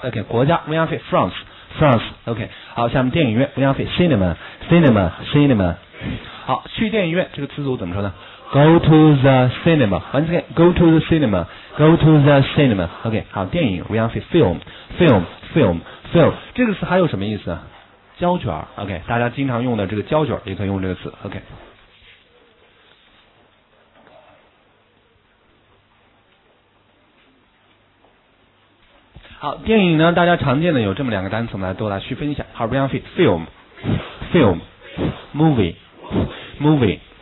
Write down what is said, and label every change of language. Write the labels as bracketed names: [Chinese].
[English] Okay, 国家 France, France. Okay, [Chinese] 好，下面电影院 [English] Cinema, cinema, cinema. [Chinese] 好，去电影院这个词组怎么说呢？ [English] Go to the cinema. Once again, go to the cinema. Go to the cinema. Okay, [Chinese] 好，电影 [English] film, film, film, film. [Chinese] 这个词还有什么意思？胶卷。 Okay, 大家经常用的这个胶卷也可以用这个词。 [English] Okay. [Chinese] 好，电影呢，大家常见的有这么两个单词，我们来都来区分一下。 [English] 好 ，Ryan Fit Film Film Movie Movie。